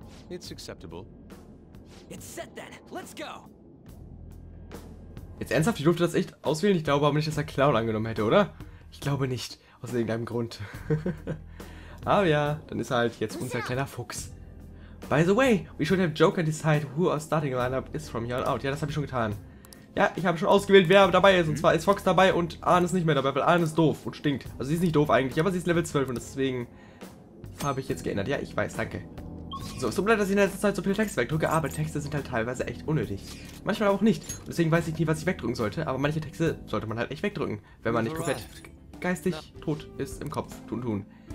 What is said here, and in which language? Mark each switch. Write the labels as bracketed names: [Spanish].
[English] It's acceptable. It's set then, let's go! [German] Jetzt ernsthaft, ich durfte das echt auswählen? Ich glaube aber nicht, dass er Clown angenommen hätte, oder? Ich glaube nicht, aus irgendeinem Grund. Aber ja, dann ist er halt jetzt unser kleiner Fuchs. [English] By the way, we should have Joker decide who our starting lineup is from here on out. [German] Ja, das habe ich schon getan. Ja, ich habe schon ausgewählt, wer dabei ist. Und zwar ist Fox dabei und An ist nicht mehr dabei, weil An ist doof und stinkt. Also sie ist nicht doof eigentlich, aber sie ist Level 12 und deswegen habe ich jetzt geändert. Ja, ich weiß, danke. So, es tut mir leid, dass ich in letzter Zeit so viel Text wegdrücke, aber Texte sind halt teilweise echt unnötig. Manchmal auch nicht. Und deswegen weiß ich nie, was ich wegdrücken sollte, aber manche Texte sollte man halt echt wegdrücken, wenn man nicht komplett geistig tot ist im Kopf. Tun.